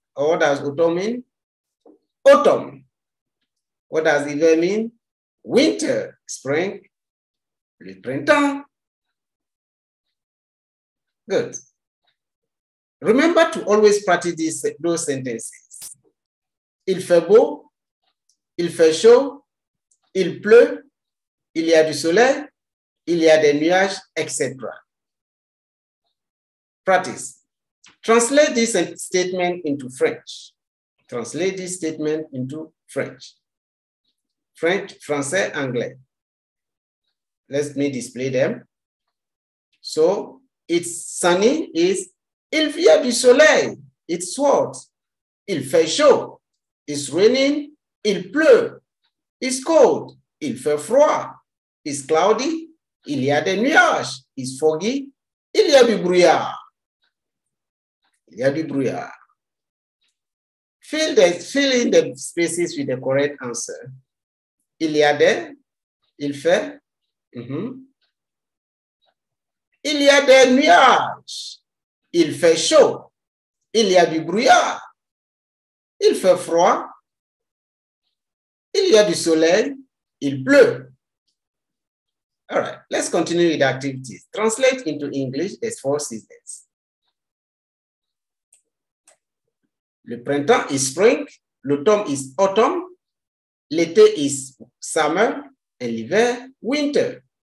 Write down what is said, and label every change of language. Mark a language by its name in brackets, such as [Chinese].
[English] Or what does autumn mean? Autumn. What does hiver mean? Winter, spring, le printemps. Good. Remember to always practice those sentences. [French] Il fait beau, il fait chaud, il pleut, il y a du soleil, il y a des nuages, etc. [English] Practice. Translate this statement into French. Translate this statement into French. French, français, anglais. Let me display them. So, it's sunny is [French] il y a du soleil. [English] It's what? [French] Il fait chaud. [English] It's raining. [French] Il pleut. [English] It's cold. [French] Il fait froid. [English] It's cloudy. [French] Il y a des nuages. [English] It's foggy. [French] Il y a du brouillard. Il y a du brouillard. [English] Fill in the spaces with the correct answer. [French] Il y a des, il fait, mm-hmm. Il y a des nuages, il fait chaud, il y a du brouillard, il fait froid, il y a du soleil, il pleut. [English] All right, let's continue with the activities. Translate into English as four seasons. Le printemps is spring, l'automne is autumn. L'été is summer, and l'hiver, winter.